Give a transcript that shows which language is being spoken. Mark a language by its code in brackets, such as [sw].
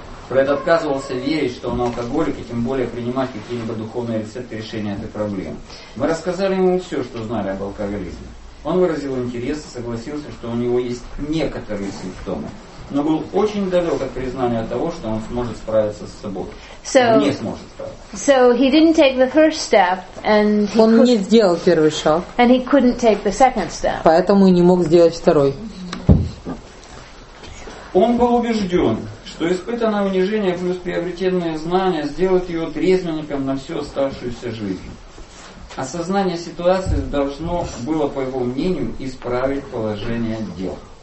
[ru] Фред отказывался верить, что он алкоголик, и тем более принимать какие-либо духовные рецепты решения этой проблемы. Мы рассказали ему все, что знали об алкоголизме. Он выразил интерес и согласился, что у него есть некоторые симптомы, но был очень далек от признания того, что он сможет справиться с собой. [en] So he didn't take the first step, and [ru] он не сделал первый шаг. [en] And he couldn't take the second step. [ru] Поэтому и не мог сделать второй. Он был убежден, что испытанное унижение плюс приобретенные знания сделают его трезвенником на всю оставшуюся жизнь. Осознание ситуации должно было, по его мнению, исправить положение дел.